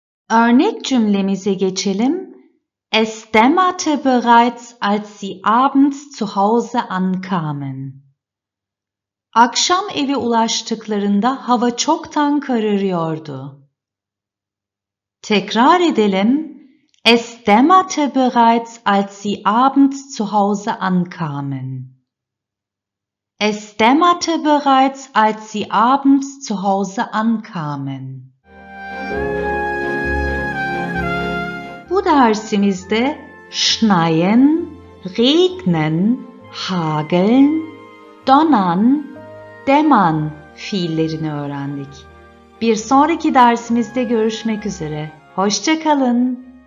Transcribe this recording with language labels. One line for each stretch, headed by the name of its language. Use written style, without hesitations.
Turkish: Örnek cümlemize geçelim.
German: Es dämmerte bereits, als sie abends zu Hause ankamen.
Turkish: Akşam eve ulaştıklarında hava çoktan kararıyordu. Tekrar edelim.
German: Es dämmerte bereits, als sie abends zu Hause ankamen. Es dämmerte bereits, als sie abends zu Hause ankamen.
Turkish: Bu dersimizde schneien, regnen, hageln, donnern, dämmern fiillerini öğrendik. Bir sonraki dersimizde görüşmek üzere. Hoşça kalın.